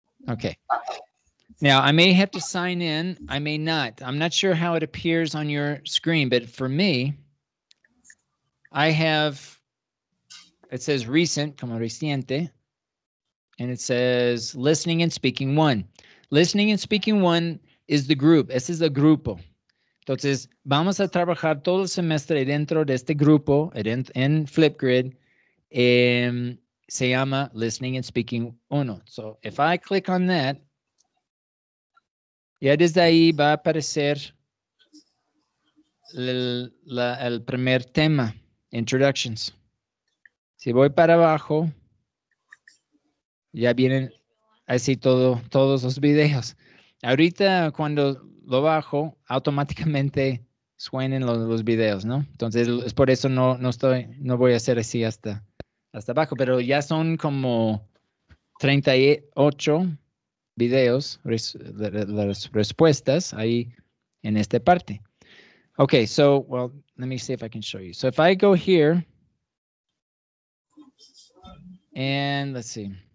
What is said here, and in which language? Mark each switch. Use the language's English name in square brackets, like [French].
[English] Okay. Now, I may have to sign in. I may not. I'm not sure how it appears on your screen, but for me, I have, it says recent, [Spanish] como reciente, [English] and it says listening and speaking one. Listening and speaking one is the group. [Spanish] Ese es el grupo. Entonces, vamos a trabajar todo el semestre dentro de este grupo en Flipgrid. Se llama listening and speaking uno. [English] So, if I click on that, [Spanish] ya desde ahí va a aparecer el primer tema, introductions. Si voy para abajo, ya vienen así todos los videos. Ahorita cuando lo bajo, automáticamente suenen los videos, ¿no? Entonces, es por eso no voy a hacer así hasta abajo, pero ya son como 38 videos, las respuestas ahí en esta parte. [English] Okay, so, well, let me see if I can show you. So, if I go here, and let's see.